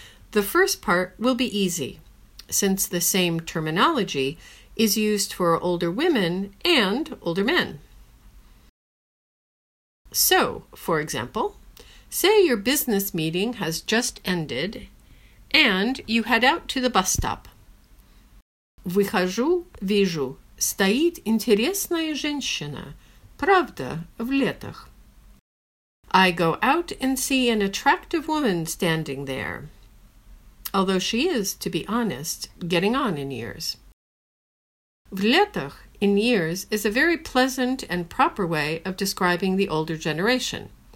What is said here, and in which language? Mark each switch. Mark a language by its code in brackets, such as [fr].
[en] The first part will be easy, since the same terminology is used for older women and older men. So, for example, say your business meeting has just ended and you head out to the bus stop. [ru] Выхожу, вижу, стоит интересная женщина, правда, в летах. [en] I go out and see an attractive woman standing there, although she is, to be honest, getting on in years. В летах, in years, is a very pleasant and proper way of describing the older generation.